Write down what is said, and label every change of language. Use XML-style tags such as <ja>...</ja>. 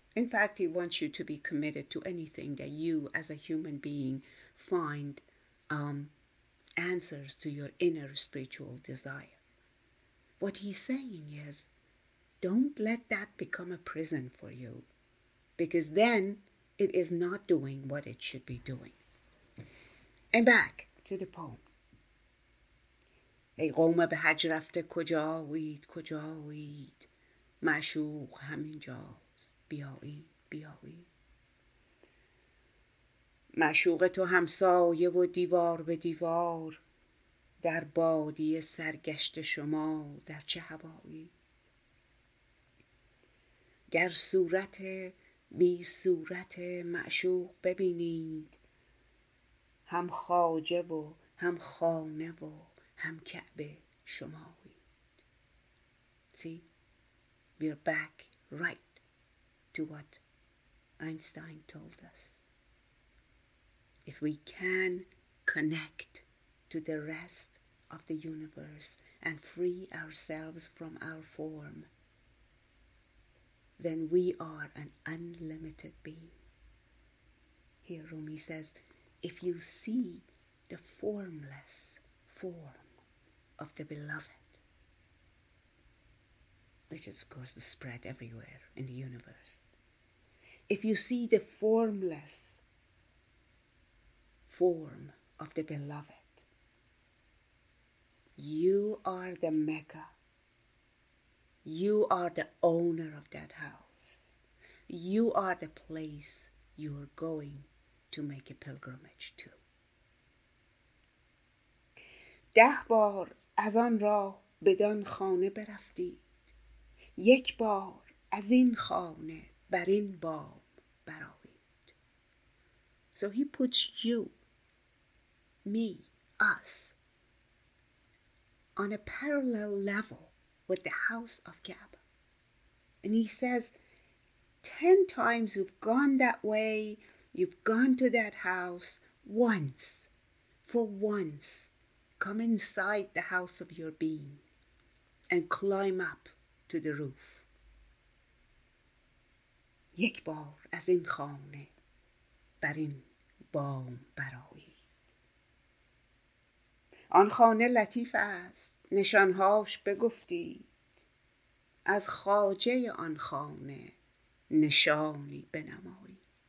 <en>In fact, he wants you to be committed to anything that you as a human being find answers to your inner spiritual desire. What he's saying is, don't let that become a prison for you, because then it is not doing what it should be doing. And back to the poem.</en> <fa>ای قوم به حج رفته کجایید کجایید معشوق همینجاست بیایید بیایید معشوق تو همسایه و دیوار به دیوار در بادیه سرگشت شما در چه هوایید گر صورت بی صورت معشوق ببینید هم خواجه و هم خانه و هم کعبه شماوی.</fa> <en>See, we're back right to what Einstein told us. If we can connect to the rest of the universe and free ourselves from our form, then we are an unlimited being. Here Rumi says, if you see the formless form of the beloved, which is of course spread everywhere in the universe, if you see the formless form of the beloved, you are the Mecca. You are the owner of that house. You are the place you are going to make a pilgrimage to.</en> <fa>ده بار از آن راه بدان خانه برفتید، یک بار از این خانه بر این بام برآیید.</fa> <en>So he puts you, me, us, on a parallel level with the house of Kaaba. And he says, 10 times you've gone that way, you've gone to that house, once, for once, come inside the house of your being and climb up to the roof.</en> <fa>یک بار از این خانه بر این بام برآیی. آن خانه لطیف است، نشانهاش بگفتی، از خواجه آن خانه نشانی بنمایی.</fa>